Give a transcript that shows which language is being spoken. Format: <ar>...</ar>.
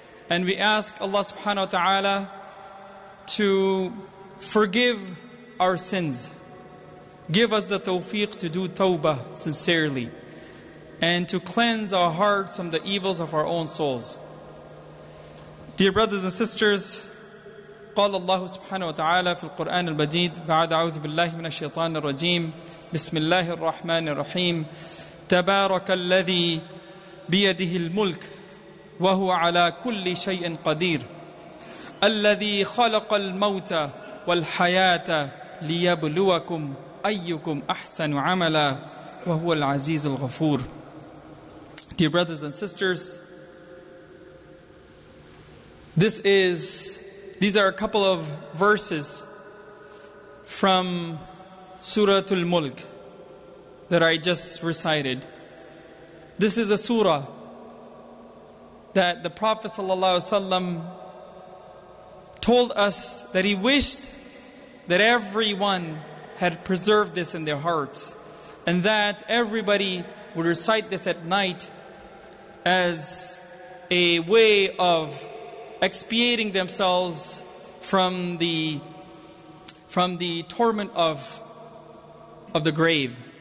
<en>And we ask Allah subhanahu wa ta'ala to forgive our sins. Give us the tawfiq to do tawbah sincerely and to cleanse our hearts from the evils of our own souls. Dear brothers and sisters,</en> <ar>قال الله سبحانه وتعالى في القرآن المجيد بعد أعوذ بالله من الشيطان الرجيم بسم الله الرحمن الرحيم تبارك الذي بيده الملك وهو على كل شيء قدير الذي خلق الموت والحياة ليبلوكم أيكم أحسن عملا وهو العزيز الغفور.</ar> <en>Dear brothers and sisters, these are a couple of verses from Surah Al-Mulk that I just recited. This is a surah that the Prophet ﷺ told us that he wished that everyone had preserved this in their hearts, and that everybody would recite this at night as a way of expiating themselves from the torment of the grave.</en>